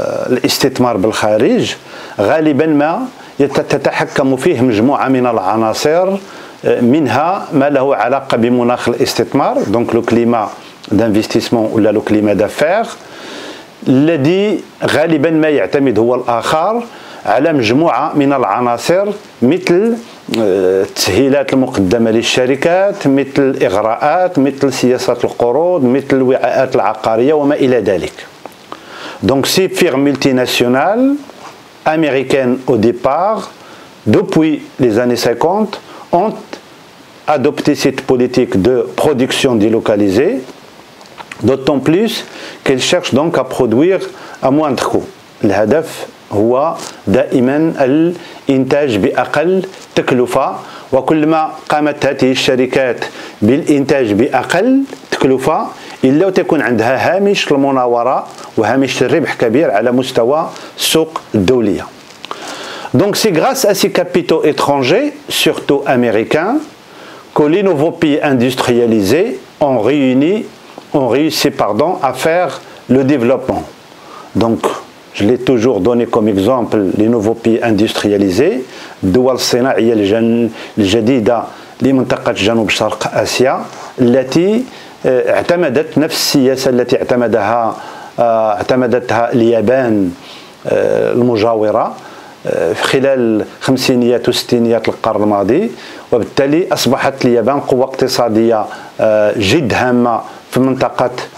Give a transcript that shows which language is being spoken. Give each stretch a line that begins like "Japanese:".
Arabic: l'istitmar bel kharij ghaliban ma yatatahakamu fih mjmou'a min al-anasir منها ما له علاقة بمناخ الاستثمار
French: دونك لو كليما دانفستيسمون ولا لو كليما دافير
Arabic: الذي غالبا ما يعتمد هو الآخر على مجموعة من العناصر مثل التسهيلات المقدمة للشركات مثل الإغراءات مثل سياسة القروض مثل الوعاءات العقارية وما إلى ذلك.
French: Donc ces firmes multinationales américaines au départ, depuis les années 50, ont adopté cette politique de production délocalisée, d'autant plus qu'elles cherchent donc à produire à moindre coût.
Arabic: L'هدف هو دائما الإنتاج بأقل تكلفة وكلما قامت هذه الشركات بالإنتاج بأقل تكلفة إلا وتكون عندها هامش المناورة وهامش الربح كبير على مستوى السوق الدولية.
French: Donc c'est grâce à ces capitaux étrangers, surtout américains, que les nouveaux pays industrialisés ont réussi à faire le développement. Donc je l'ai toujours donné comme exemple, les nouveaux pays industrialisés,
Arabic: الدول الصناعية الجديدة لمنطقة جنوب شرق آسيا التي اعتمدت نفس السياسة التي اعتمدتها اليابان المجاورة خلال خمسينيات وستينيات القرن الماضي، وبالتالي أصبحت اليابان قوة اقتصادية جد هامة في منطقة،